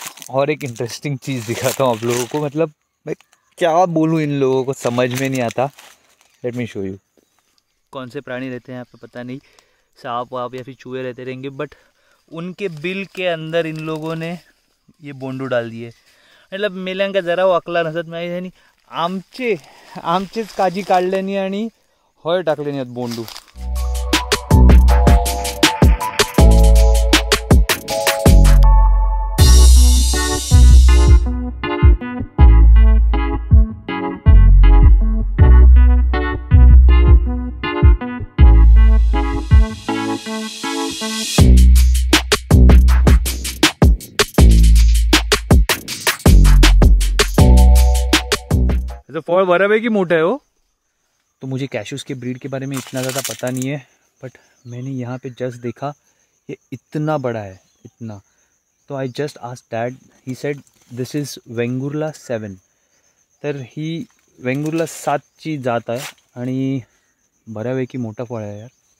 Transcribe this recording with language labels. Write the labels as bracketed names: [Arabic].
[Hindi] और एक इंटरेस्टिंग चीज दिखाता हूँ आप लोगों को, मतलब मैं क्या बोलूं इन लोगों को समझ में नहीं आता। [English] let me show you, [Hindi] कौन से प्राणी रहते हैं यहाँ पे पता नहीं, सांप वाप या फिर चूहे रहते रहेंगे, बट उनके बिल के अंदर इन लोगों ने ये बोंडू डाल दिए। [Marathi] म्हटलं मेल्यांका जरा वाकला नसत माहीत आणि आमचे आमचेच काजी काढल्यानी आणि हळ टाकल्यानी आहेत बोंडू. फळ बऱ्यापैकी मोठा आहे. [Hindi] हो तो मुझे कॅशूज के ब्रीड के बारे में इतना ज्यादा पता नहीं है, बट मैंने यहाँ पे जस्ट देखा ये इतना बड़ा है, इतना. [English] तो I just asked dad, he said this is Vengurla 7. [Marathi] तर ही वेंगुर्ला 7 ची जात आहे आणि बऱ्यापैकी मोठा फळ आहे यार.